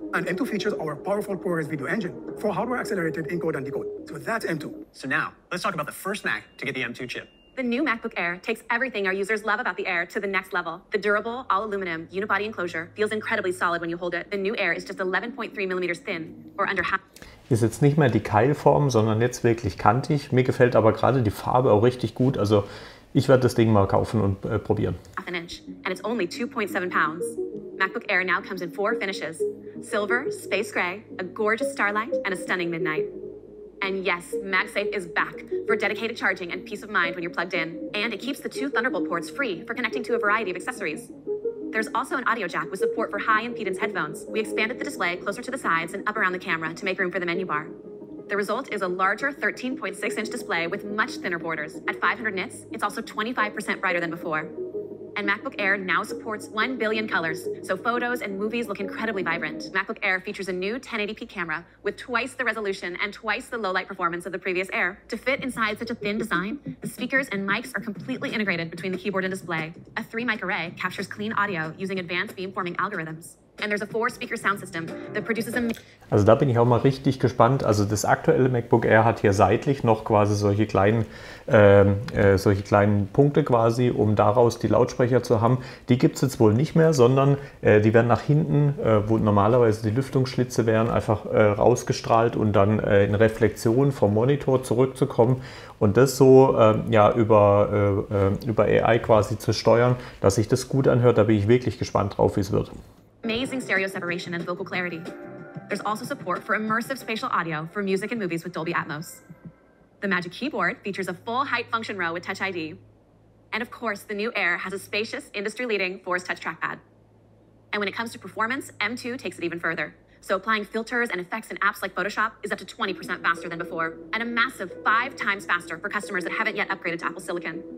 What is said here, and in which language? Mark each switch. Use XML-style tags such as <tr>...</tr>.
<en>And M2 features our powerful ProRes video engine for hardware-accelerated encode and decode. So that's M2. So now, let's talk about the first Mac to get the M2 chip. The new MacBook Air takes everything our users love about the Air to the next level. The durable, all-aluminum, unibody enclosure feels incredibly solid when you hold it. The new Air is just 11.3 millimeters thin, or under half.</en> <de>Ist jetzt nicht mehr die Keilform, sondern jetzt wirklich kantig. Mir gefällt aber gerade die Farbe auch richtig gut. Also ich werde das Ding mal kaufen und probieren.</de> <en>Half an inch, and it's only 2.7 pounds. MacBook Air now comes in 4 finishes. Silver, space gray, a gorgeous starlight, and a stunning midnight. And yes, MagSafe is back for dedicated charging and peace of mind when you're plugged in. And it keeps the two Thunderbolt ports free for connecting to a variety of accessories. There's also an audio jack with support for high impedance headphones. We expanded the display closer to the sides and up around the camera to make room for the menu bar. The result is a larger 13.6-inch display with much thinner borders. At 500 nits, it's also 25% brighter than before. And MacBook Air now supports 1 billion colors, so photos and movies look incredibly vibrant. MacBook Air features a new 1080p camera with twice the resolution and twice the low-light performance of the previous Air. To fit inside such a thin design, the speakers and mics are completely integrated between the keyboard and display. A 3-mic array captures clean audio using advanced beamforming algorithms. And there's a 4-speaker sound system that produces a...</en> <de>Also da bin ich auch mal richtig gespannt. Also das aktuelle MacBook Air hat hier seitlich noch quasi solche kleinen Punkte quasi, um daraus die Lautsprecher zu haben. Die gibt es jetzt wohl nicht mehr, sondern die werden nach hinten, wo normalerweise die Lüftungsschlitze wären, einfach rausgestrahlt und dann in Reflexion vom Monitor zurückzukommen. Und das so über AI quasi zu steuern, dass sich das gut anhört, da bin ich wirklich gespannt drauf, wie es wird.</de> <en>Amazing stereo separation and vocal clarity. There's also support for immersive spatial audio for music and movies with Dolby Atmos. The Magic Keyboard features a full height function row with Touch ID. And of course, the new Air has a spacious, industry-leading Force Touch trackpad. And when it comes to performance, M2 takes it even further. So applying filters and effects in apps like Photoshop is up to 20% faster than before, and a massive 5 times faster for customers that haven't yet upgraded to Apple Silicon.</en>